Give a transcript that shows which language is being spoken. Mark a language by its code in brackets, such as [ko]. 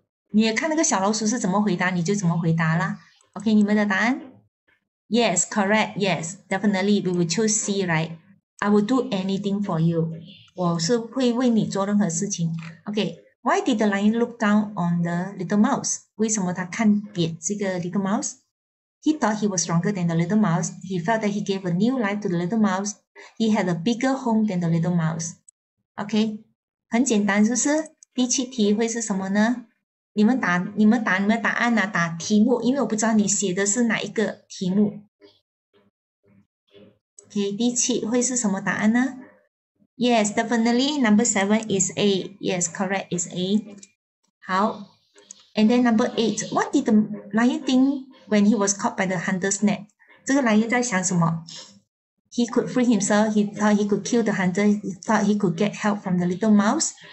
[zh] 你会怎样回答？你看那个小老鼠是怎么回答，你就怎么回答啦。 [en] OK, [zh] 你们的答案? [en] Yes, correct. Yes, definitely. We will choose C, right? I will do anything for you. [zh] 我是会为你做任何事情。 [en] OK, why did the lion look down on the little mouse? [zh] 为什么他看扁这个 [en] little mouse? He thought he was stronger than the little mouse. He felt that he gave a new life to the little mouse. He had a bigger home than the little mouse. [zh] OK, 很简单是不是？第七题会是什么呢？你们打你们答案呐，打题目，因为我不知道你写的是哪一个题目。OK, 第七会是什么答案呢？ [en] Yes, definitely, number 7 is A. Yes, correct, is A. 好, and then number 8, what did the lion think when he was caught by the hunter's net? [zh] 这个lion在想什么？ [en] He could free himself. He thought he could kill the hunter. He thought he could get help from the little mouse.